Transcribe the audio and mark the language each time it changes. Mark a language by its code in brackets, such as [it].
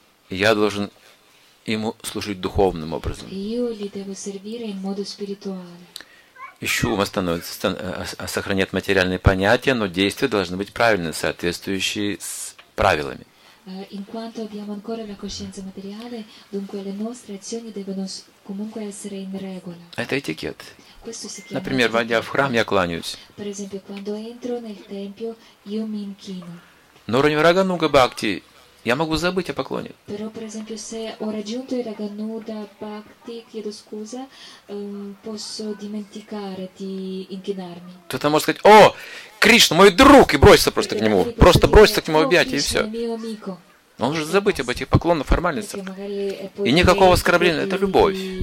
[ru] Я должен ему служить духовным образом. Еще ум сохраняет материальные понятия, но действия должны быть правильны, соответствующие с правилами. [it] In quanto abbiamo ancora la coscienza materiale, dunque le nostre azioni devono comunque essere in regola. [ru] Это этикет. Например, войдя в храм, я кланяюсь. [it] Per esempio, quando entro nel tempio, io mi inchino. [ru] Но уровень рагануга бхакти, я могу забыть о поклоне. [it] Però, per esempio, se ho raggiunto il рагануга бхакти, chiedo scusa, posso dimenticare di inchinarmi. [ru] Кто-то может сказать: «О, Кришна, мой друг!» И бросится просто к нему. Просто бросится к нему в объятия, и все. Он может забыть об этих поклонах, формальностях. И никакого оскорбления. Это любовь.